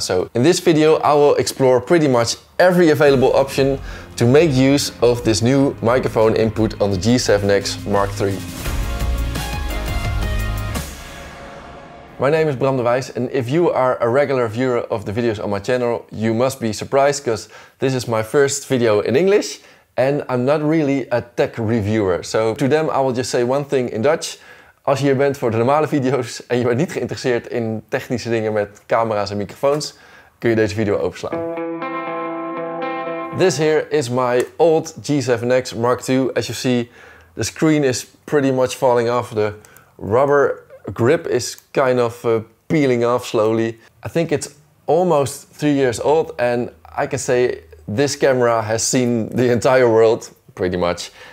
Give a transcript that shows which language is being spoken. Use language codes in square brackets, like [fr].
[en] So in this video, I will explore pretty much every available option to make use of this new microphone input on the G7X Mark III. My name is Bram de Wijs, and if you are a regular viewer of the videos on my channel, you must be surprised because this is my first video in English and I'm not really a tech reviewer. So to them, I will just say one thing in Dutch. [nl] Als je hier bent voor de normale video's en je bent niet geïnteresseerd in technische dingen met camera's en microfoons, kun je deze video overslaan. [en] This here is my old G7X Mark II. As you see, the screen is pretty much falling off. The rubber grip is kind of peeling off slowly. I think it's almost 3 years old and I can say this camera has seen the entire world, pretty much.